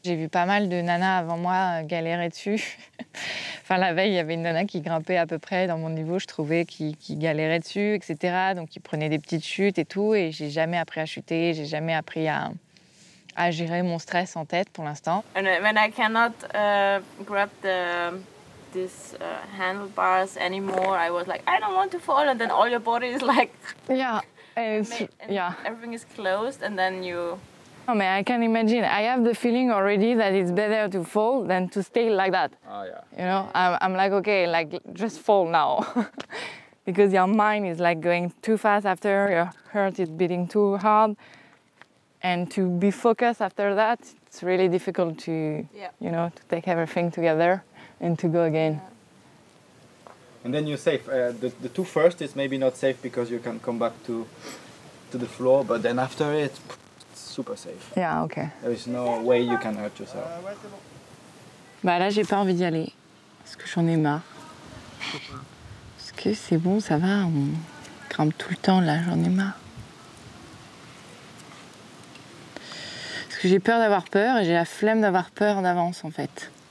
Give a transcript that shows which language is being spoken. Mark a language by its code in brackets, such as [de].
[fr] J'ai vu pas mal de nanas avant moi galérer dessus. Enfin, la veille, il y avait une nana qui grimpait à peu près dans mon niveau, je trouvais, qui galérait dessus, etc. Donc, qui prenait des petites chutes et tout. Et j'ai jamais appris à chuter, j'ai jamais appris à gérer mon stress en tête pour l'instant. [en] When I cannot grab this handlebars anymore, I was like, I don't want to fall, and then all your body is like, everything is closed, and then you. Oh man, I can imagine. I have the feeling already that it's better to fall than to stay like that. Oh yeah. You know, I'm like, okay, like just fall now, because your mind is like going too fast after, your heart is beating too hard. And to be focused after that, it's really difficult to, you know, to take everything together and to go again. Yeah. And then you're safe. The two first is maybe not safe because you can come back to the floor, but then after it, it's super safe. Yeah, okay. There is no way you can hurt yourself. [fr] Bah là, j'ai pas envie d'y aller. Parce que j'en ai marre. Parce que c'est bon, ça va, on grimpe tout le temps là, j'en ai marre. J'ai peur d'avoir peur et j'ai la flemme d'avoir peur d'avance, en fait.